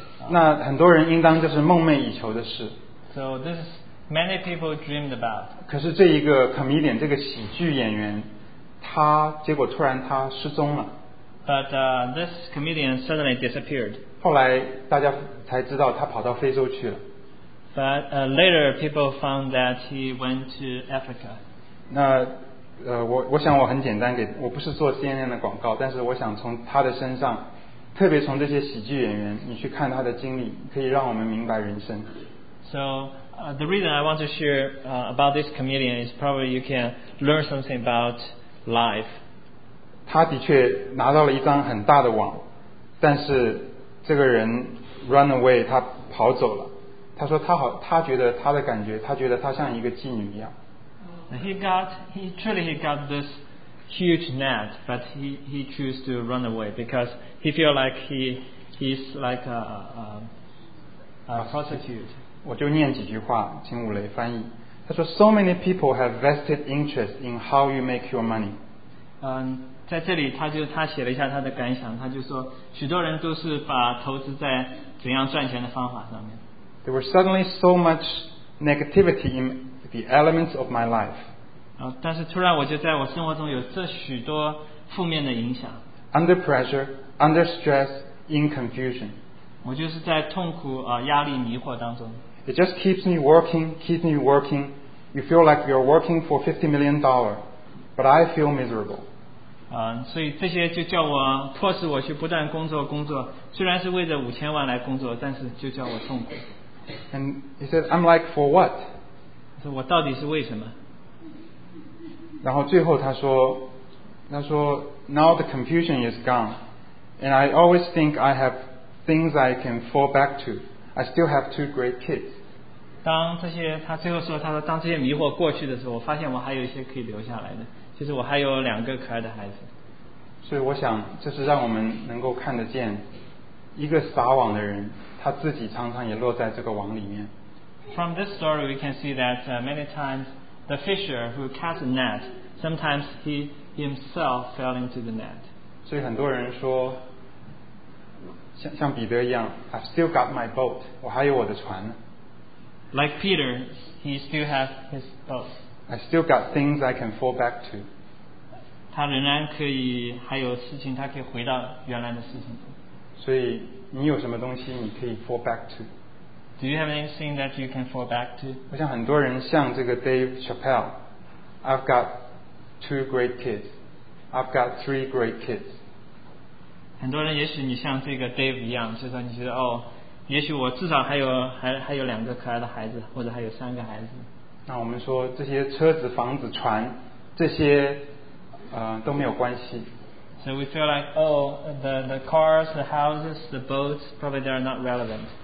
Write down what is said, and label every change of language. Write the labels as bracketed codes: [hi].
[zh] 那很多人应当就是梦寐以求的事。 [en] So this many people dreamed about. [zh] 可是这一个 comedian 这个喜剧演员，他结果突然他失踪了。 [en] But this comedian suddenly disappeared. [zh] 后来大家才知道他跑到非洲去了。 [en] But later people found that he went to Africa. [zh] 那我想我很简单给我不是做 CNN 的广告但是我想从他的身上特别从这些喜剧演员你去看他的经历可以让我们明白人生 [en] So the reason I want to share about this comedian is probably you can learn something about life [zh] 他的确拿到了一张很大的网但是这个人 [en] run away [zh] 他跑走了他说他觉得他的感觉他觉得他像一个妓女一样 [en] He got this huge net, but he chose to run away because he feel like he's like a prostitute. [zh] 我就念几句话，请武雷翻译。他说 [en] ，So many people have vested interest in how you make your money. [zh] 在这里他写了一下他的感想，他就说，许多人都是把投资在怎样赚钱的方法上面。 [en] There was suddenly so much negativity in the elements of my life. [zh] 但是突然我就在我生活中有这许多负面的影响。 [en] Under pressure, under stress, in confusion. [zh] 我就是在痛苦压力迷惑当中。 [en] It just keeps me working. You feel like you're working for $50 million, but I feel miserable. [zh] 所以这些就叫我迫使我去不断工作，虽然是为着五千万来工作，但是就叫我痛苦。 [en] And he said, I'm like for what? [zh] So, 我到底是为什么？然后最后他说 [en] ，Now the confusion is gone, and I always think I have things I can fall back to. I still have two great kids. [zh] 当这些他最后说，他说当这些迷惑过去的时候，我发现我还有一些可以留下来的，就是我还有两个可爱的孩子。所以我想，这是让我们能够看得见，一个撒网的人，他自己常常也落在这个网里面。 [en] From this story, we can see that many times the fisher who cast the net, sometimes he himself fell into the net. [zh] 所以很多人说，像彼得一样 ， [en] I've still got my boat. [zh] 我还有我的船。 [en] Like Peter, he still has his boat. I still got things I can fall back to. [zh] 他仍然可以还有事情，他可以回到原来的事情。所以你有什么东西你可以 [en] fall back to？ Do you have anything that you can fall back to? [zh] 我想很多人像这个 [en] Dave Chappelle, I've got two great kids, I've got three great kids. [zh] 很多人也许你像这个 Dave 一样，就是你觉得哦，也许我至少还有两个可爱的孩子，或者还有三个孩子。那我们说这些车子、房子、船，这些都没有关系。 [en] So we feel like oh, the cars, the houses, the boats, probably they are not relevant.